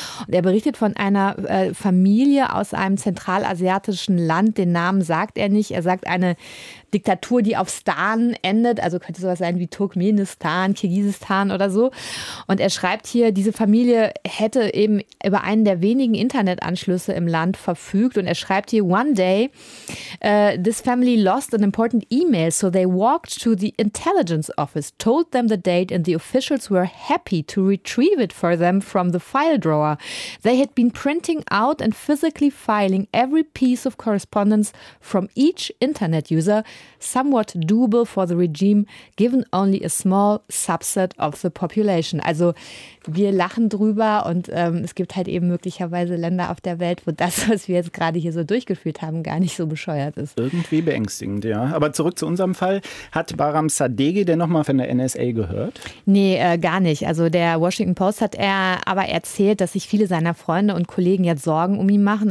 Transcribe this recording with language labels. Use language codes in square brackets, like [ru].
[de] Und er berichtet von einer Familie aus einem zentralasiatischen Land. Den Namen sagt er nicht. Er sagt eine Diktatur, die auf Stan endet. Also könnte sowas sein wie Turkmenistan, Kirgisistan oder so. Und er schreibt hier, diese Familie hätte eben über einen der wenigen Internetanschlüsse im Land verfügt. Und er schreibt hier, [en] one day, this family lost an important email, so they walked to the intelligence office, told them the date, and the officials were happy to retrieve it for them from the file drawer. They had been printing out and physically filing every piece of correspondence from each internet user, somewhat doable for the regime, given only a small subset of the population. [de] Also wir lachen drüber und es gibt halt eben möglicherweise Länder auf der Welt, wo das, was wir jetzt gerade hier so durchgeführt haben, gar nicht so bescheuert ist. Irgendwie beängstigend, ja. Aber zurück zu unserem Fall. Hat Bahram Sadeghi denn nochmal von der NSA gehört? Nee, gar nicht. Also der Washington Post hat er aber erzählt, dass sich viele seiner Freunde und Kollegen jetzt Sorgen um ihn machen.